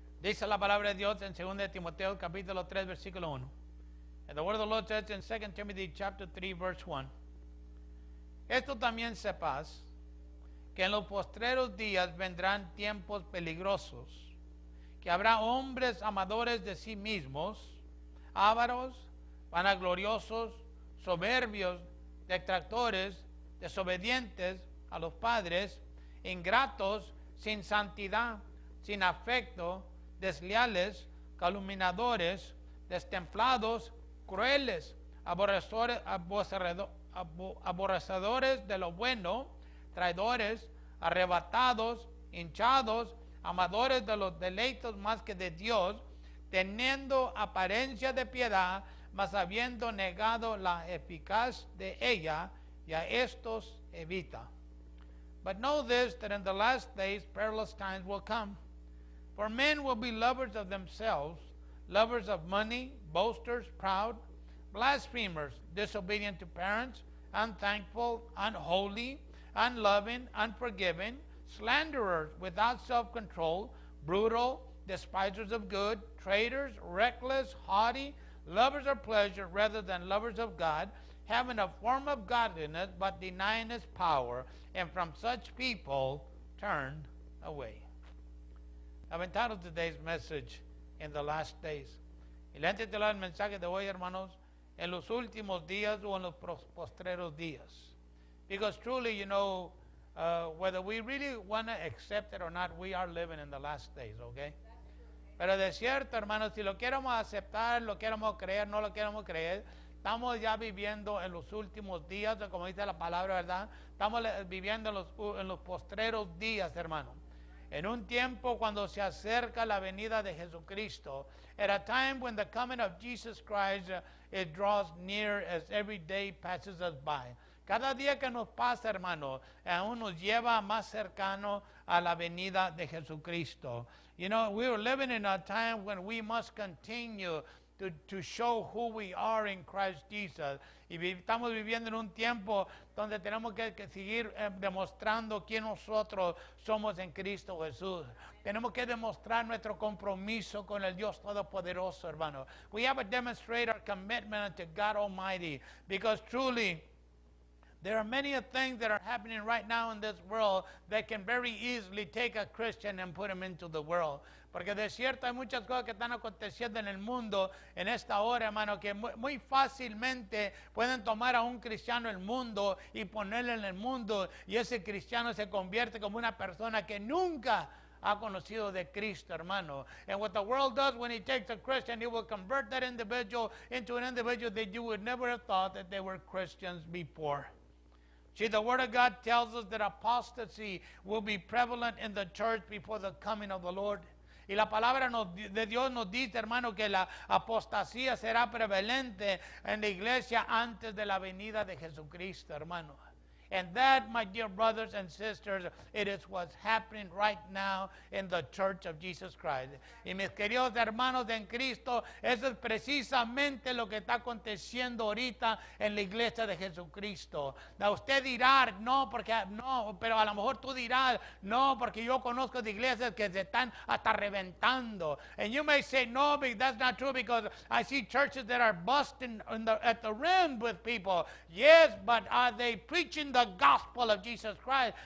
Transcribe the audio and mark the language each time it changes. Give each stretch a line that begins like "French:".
Spanish: Dice la palabra de Dios en 2 Timoteo capítulo 3 versículo 1.
English: And the word of the Lord says in 2 Timothy chapter 3 verse 1.
Spanish: Esto también sepas, que en los postreros días vendrán tiempos peligrosos, que habrá hombres amadores de sí mismos, ávaros, vanagloriosos, soberbios, detractores, desobedientes a los padres, ingratos, sin santidad, sin afecto, desleales, calumniadores, destemplados, crueles, aborrecedores de lo bueno, traidores, arrebatados, hinchados, amadores de los deleites más que de Dios, teniendo apariencia de piedad, mas habiendo negado la eficaz de ella, y a estos evita.
English: But know this, that in the last days perilous times will come. For men will be lovers of themselves, lovers of money, boasters, proud, blasphemers, disobedient to parents, unthankful, unholy, unloving, unforgiving, slanderers, without self-control, brutal, despisers of good, traitors, reckless, haughty, lovers of pleasure rather than lovers of God, having a form of godliness but denying its power, and from such people turn away. I've entitled today's message, In the Last Days.
Spanish: Y le he titulado el mensaje de hoy, hermanos, En los últimos días o en los postreros días.
English: Because truly, you know, whether we really want to accept it or not, we are living in the last days, okay?
Spanish: Pero de cierto, hermanos, si lo queremos aceptar, lo queremos creer, no lo queremos creer, estamos ya viviendo en los últimos días, como dice la palabra, ¿verdad? Estamos viviendo en los postreros días, hermanos. En un tiempo cuando se acerca la venida de Jesucristo,
English: at a time when the coming of Jesus Christ it draws near as every day passes us by.
Spanish: Cada día que nos pasa, hermano, aún nos lleva más cercano a la venida de Jesucristo.
English: You know, we are living in a time when we must continue to show who we are in Christ Jesus.
Spanish: Y estamos viviendo en un tiempo donde tenemos que seguir demostrando quién nosotros somos en Cristo Jesús. Tenemos que demostrar nuestro compromiso con el Dios Todopoderoso, hermano.
English: We have to demonstrate our commitment to God Almighty, because truly, there are many things that are happening right now in this world that can very easily take a Christian and put him into the world.
Spanish: Porque de cierto hay muchas cosas que están aconteciendo en el mundo en esta hora, hermano, que muy fácilmente pueden tomar a un cristiano el mundo y ponerle en el mundo, y ese cristiano se convierte como una persona que nunca ha conocido de Cristo, hermano.
English: And what the world does when he takes a Christian, he will convert that individual into an individual that you would never have thought that they were Christians before. See, the Word of God tells us that apostasy will be prevalent in the church before the coming of the Lord.
Spanish: Y la palabra de Dios nos dice, hermano, que la apostasía será prevalente en la iglesia antes de la venida de Jesucristo, hermano.
English: And that, my dear brothers and sisters, it is what's happening right now in the church of Jesus Christ.
Spanish: Y mis queridos hermanos en Cristo, eso es precisamente lo que está aconteciendo ahorita en la iglesia de Jesucristo. Now, usted dirá, no, porque no, pero a lo mejor tú dirás, no, porque yo conozco de iglesias que se están hasta reventando.
English: And you may say, no, but that's not true, because I see churches that are busting at the rim with people. Yes, but are they preaching the gospel of Jesus Christ?